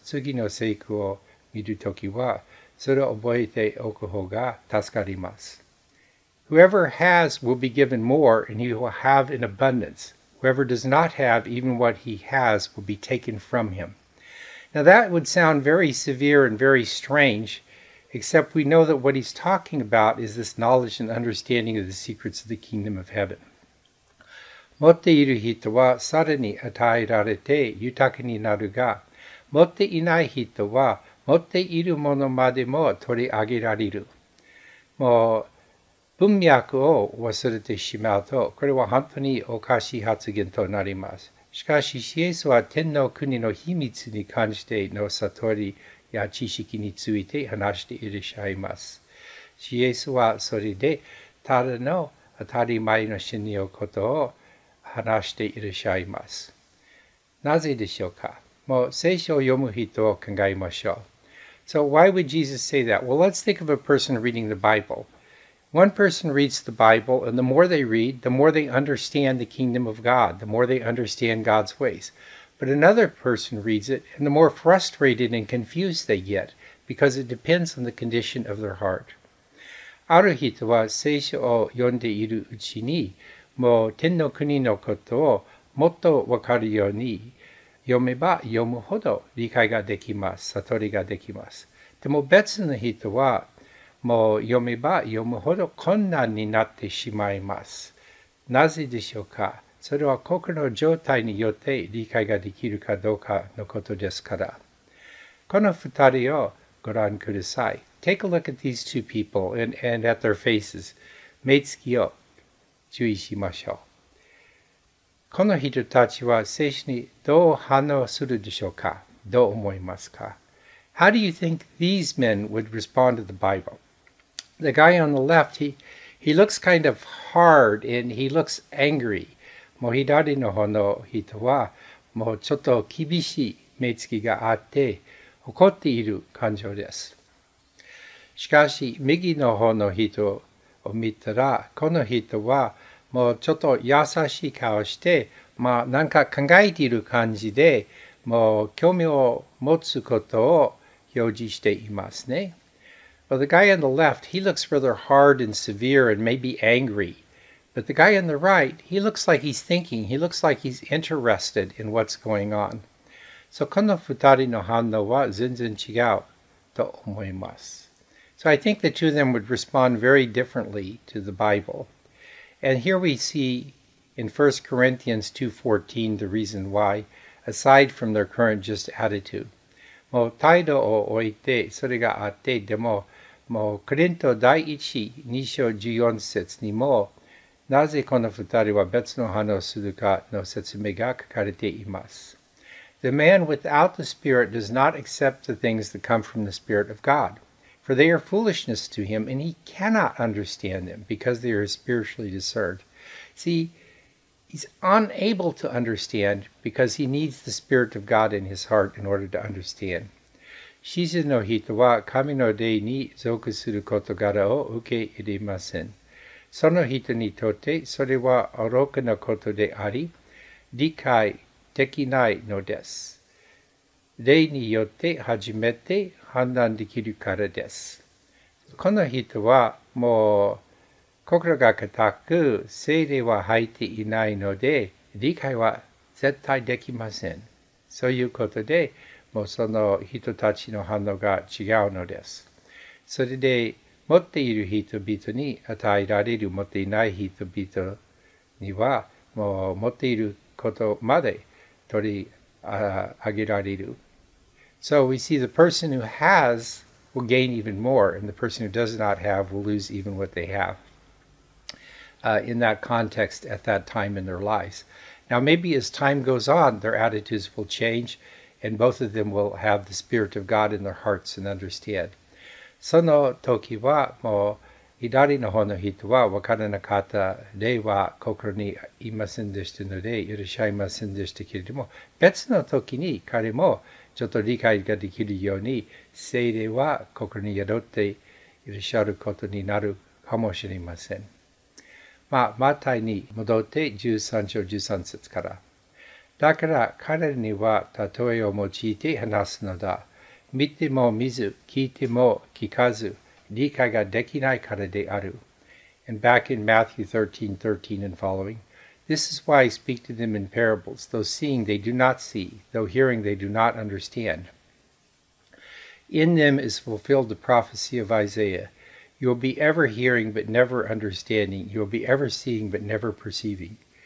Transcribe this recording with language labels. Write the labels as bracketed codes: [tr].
[ja] 次の聖句を見るときは、それを覚えておく方が助かります。 [en] Whoever has will be given more, and he will have in abundance. Whoever does not have, even what he has, will be taken from him. Now that would sound very severe and very strange, except we know that what he's talking about is this knowledge and understanding of the secrets of the kingdom of heaven. [ja] 持っている人はさらに与えられて豊かになるが、持っていない人は持っているものまでも取り上げられる。もう文脈を忘れてしまうと、これは本当におかしい発言となります。しかし、イエスは天の国の秘密に関しての悟りや知識について話していらっしゃいます。イエスはそれで、ただの当たり前の信仰のことを話していらっしゃいます。なぜでしょうか？もう聖書を読む人を考えましょう。 [en] So why would Jesus say that? Well, let's think of a person reading the Bible. One person reads the Bible, and the more they read, the more they understand the kingdom of God, the more they understand God's ways. But another person reads it, and the more frustrated and confused they get, because it depends on the condition of their heart. [ja] ある人は聖書を読んでいるうちに、もう天の国のことをもっとわかるように読めば読むほど理解ができます、悟りができます。でも別の人は、もう読めば読むほど困難になってしまいます。なぜでしょうか？それは心の状態によって理解ができるかどうかのことですから。この二人をご覧ください。 [en] Take a look at these two people and at their faces. [ja] 目つきを注意しましょう。この人たちは聖書にどう反応するでしょうか？どう思いますか？ [en] How do you think these men would respond to the Bible? The guy on the left, he looks kind of hard and he looks angry. [ja] もう左の方の人は、もうちょっと厳しい目つきがあって、怒っている感情です。しかし、右の方の人を見たら、この人は、もうちょっと優しい顔して、まあなんか考えている感じで、もう興味を持つことを、 [en] Well, the guy on the left, he looks rather hard and severe and maybe angry. But the guy on the right, he looks like he's thinking. He looks like he's interested in what's going on. [ja] So, この二人の反応は全然違うと思います。 [en] So, I think the two of them would respond very differently to the Bible. And here we see in 1 Corinthians 2:14 the reason why, aside from their current just attitude. [ja] もう態度を置いてそれがあってでも、もうコリント第一2章14節にもなぜこの二人は別の反応するかの説明が書かれています。 [en] The man without the Spirit does not accept the things that come from the Spirit of God, for they are foolishness to him, and he cannot understand them because they are spiritually discerned. See, He's unable to understand because he needs the Spirit of God in his heart in order to understand. [ja] 真実の人は神の霊に属する事柄を受け入れません。その人にとってそれは愚かなことであり、理解できないのです。霊によって初めて判断できるからです。この人はもう、心が固く、聖霊は入っていないので、理解は絶対できません。そういうことで、もうその人たちの反応が違うのです。それで、持っている人々に与えられる、持っていない人々には、もう持っていることまで取り上げられる。 [en] So we see the person who has will gain even more, and the person who does not have will lose even what they have. in that context at that time in their lives. Now, maybe as time goes on, their attitudes will change, and both of them will have the Spirit of God in their hearts and understand. [ja] その時はもう左の方の人は分からなかった霊は心にいませんでしたので許しゃいませんでしたけれども、別の時に彼もちょっと理解ができるように聖霊は心に宿っていらっしゃることになるかもしれません。まあ、マタイに戻って13章13節から。だから彼には例えを用いて話すのだ。見ても見ず、聞いても聞かず、理解ができないからである。 [en] And back in Matthew 13:13 and following, this is why I speak to them in parables, though seeing they do not see, though hearing they do not understand. In them is fulfilled the prophecy of Isaiah, you will be ever hearing but never understanding, you will be ever seeing but never perceiving.